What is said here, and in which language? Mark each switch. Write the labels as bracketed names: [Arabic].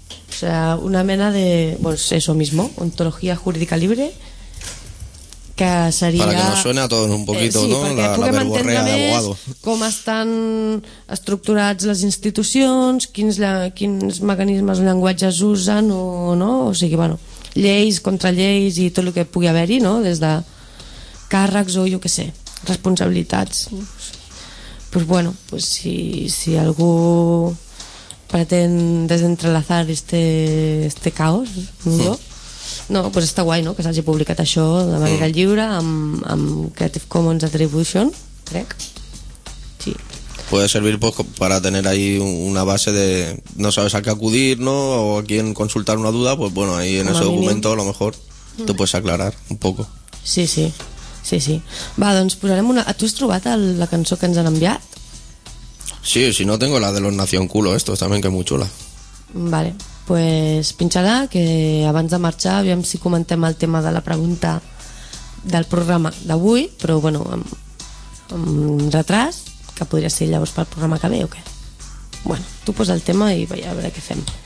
[Spanish] O sea, [Catalan] una mena de, [Spanish] pues eso mismo, ontología jurídica libre, que seria... Para que nos suene a todos un poquito, sí, ¿no? [Catalan] Sí, perquè puguem entendre més com estan estructurats les institucions, quins mecanismes o llenguatges usen, o no? O sigui, bueno, lleis, contralleis i tot el que pugui haver-hi, no? Des de càrrecs o, jo què sé, responsabilitats. Pues bueno, pues si algú... [Spanish] pretén desentrelazar este caos, ¿no? [Catalan] No, pues està guai, ¿no? Que s'hagi publicat això de manera lliure amb Creative Commons Attribution, crec. Sí. [Spanish] Puede servir, pues, para tener ahí una base de... No sabes a qué acudir, ¿no? O a quién consultar una duda, pues bueno, ahí en ese documento a lo mejor te puedes aclarar un poco. [Catalan] Sí, sí. Sí, sí. Va, doncs posarem una... ¿Tú has trobat la cançó que ens han enviat? [Spanish] Sí, si no tengo la de los Nación Culo, esto también, que es muy chula. Vale, pues pinchada, [Catalan] que abans de marxar aviam si comentem el tema de la pregunta del programa d'avui, però bueno, amb retras, que podria ser llavors pel programa que ve o què? Bueno, tu posa el tema i vaja, a veure què fem.